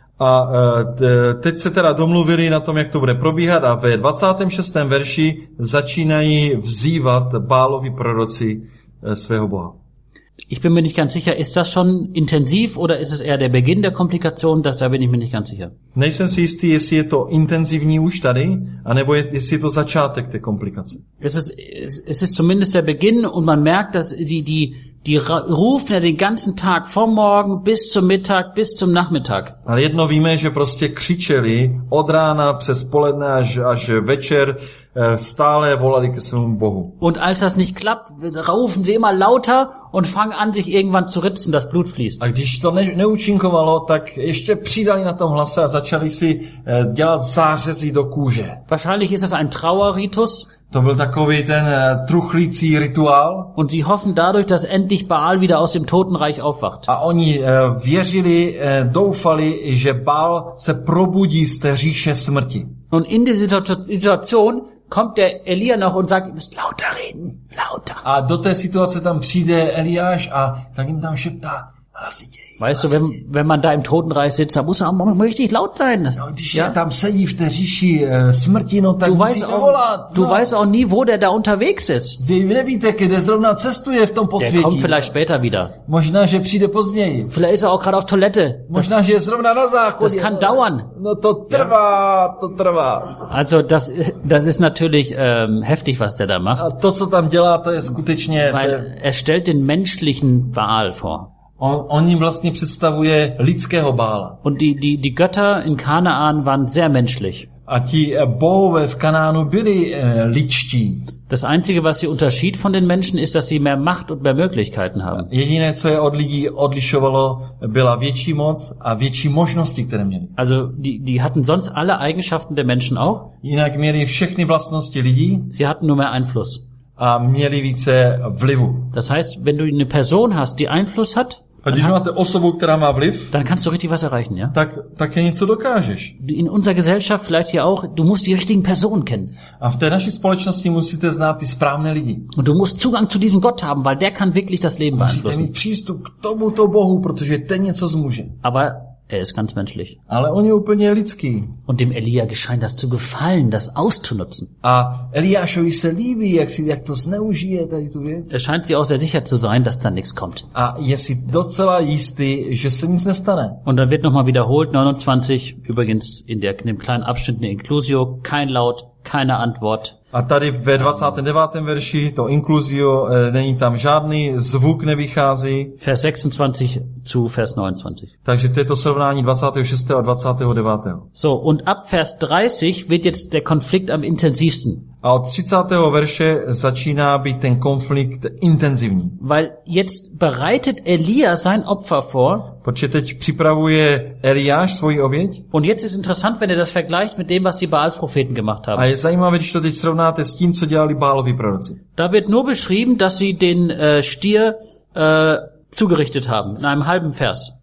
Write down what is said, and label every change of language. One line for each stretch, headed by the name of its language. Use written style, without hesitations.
Czech: A teď se teda domluvili na tom, jak to bude probíhat, a ve 26. verši začínají vzývat Bálovi proroci svého boha.
German: Ich bin mir nicht ganz sicher, ist das schon intensiv oder ist es eher der Beginn der Komplikation, da bin ich mir nicht ganz sicher.
Czech: Nejsem si jistý, jestli je to intenzivní už tady, anebo jestli je to začátek té komplikace.
German: Es ist zumindest der Beginn und man merkt, dass sie die rufen ja den ganzen Tag vom Morgen bis zum Mittag, bis zum Nachmittag.
Czech: Ale jedno víme, že prostě křičeli od rána přes poledne až večer, stále volali ke svému Bohu.
German: Und als das nicht klappt, rufen sie immer lauter und fangen an, sich irgendwann zu ritzen, das Blut fließt.
Czech: A když to neúčinkovalo, tak ještě přidali na tom hlase a začali si dělat zářezy do kůže.
German: Wahrscheinlich ist das ein Trauerritus.
Czech: To byl takový ten truchlící rituál.
German: Und sie hoffen dadurch, dass endlich Baal wieder aus dem Totenreich aufwacht.
Czech: A oni věřili, doufali, že Baal se probudí z té říše smrti.
German: Und in dieser Situation kommt der Elia noch und sagt, ihr müsst lauter reden, lauter.
Czech: A do té situace tam přijde Eliáš a tak jim tam šeptá, hlasitěji.
German: Weißt du, wenn man da im Totenreich sitzt, da muss man auch richtig laut sein. Ja, du weißt auch nie, wo der da unterwegs ist. Der kommt vielleicht später wieder.
Czech: Možná, že přijde později.
German: Vielleicht ist er auch gerade auf Toilette.
Czech: Možná, že je zrovna na záchodě.
German: Das kann dauern.
Czech: No, to trvá, ja. To trvá.
German: Also das ist natürlich heftig, was der da macht.
Czech: A to, co tam dělá, to je skutečně...
German: Er stellt den menschlichen Baal vor.
Czech: On jim vlastně představuje lidského Bála.
German: Und die Götter in Kanaan waren sehr menschlich.
Czech: A ti bohové v Kanánu byli lidští.
German: Das einzige, was sie unterschied von den Menschen, ist, dass sie mehr Macht und mehr Möglichkeiten haben.
Czech: Jediné, co je od lidí odlišovalo, byla větší moc a větší možnosti, které měli.
German: Also die hatten sonst alle Eigenschaften der Menschen auch.
Czech: Jinak měli všechny vlastnosti lidí.
German: Sie hatten nur mehr Einfluss.
Czech: A měli více vlivu.
German: Das heißt, wenn du eine Person hast, die Einfluss hat,
Czech: a když máte osobu, která má vliv,
German: dann kannst du richtig was erreichen, ja?
Czech: Tak je něco dokážeš.
German: In unserer Gesellschaft vielleicht hier auch, du musst die richtigen Personen kennen.
Czech: A v té naší společnosti musíte znát ty správné lidi.
German: Und du musst Zugang zu diesem Gott haben, weil der kann wirklich das Leben beeinflussen.
Czech: Musíte mít přístup k tomuto Bohu, protože ten něco zmůže.
German: Aber er ist ganz menschlich.
Czech: Ale on je úplně lidský.
German: Und dem Elia geschein das zu gefallen, das auszunutzen.
Czech: A Eliášovi se líbí, jak to zneužije tady tu věc.
German: Er scheint sich auch sehr sicher zu sein, dass da nichts kommt.
Czech: A je si docela jistý, že se nic nestane.
German: Und dann wird nochmal wiederholt, 29, übrigens in dem kleinen Abschnitt in Inclusio, kein Laut, keine Antwort.
Czech: A tady ve 29. verši to Inclusio, není tam žádný, zvuk nevychází.
German: Vers 26 zu Vers 29.
Czech: Takže to je to srovnání 26. a 29.
German: So, und ab Vers 30 wird jetzt der Konflikt am intensivsten.
Czech: A od 30. verše začíná být ten konflikt intenzivní.
German: Weil jetzt bereitet Elia sein Opfer vor.
Czech: Protože teď připravuje Eliáš svoji oběť.
German: Und jetzt ist interessant, wenn ihr das vergleicht mit dem, was die Baalspropheten gemacht haben.
Czech: A je zajímavé, když to teď srovnáte s tím, co dělali Baalovi proroci.
German: Da wird nur beschrieben, dass sie den Stier zugerichtet haben, in einem halben Vers.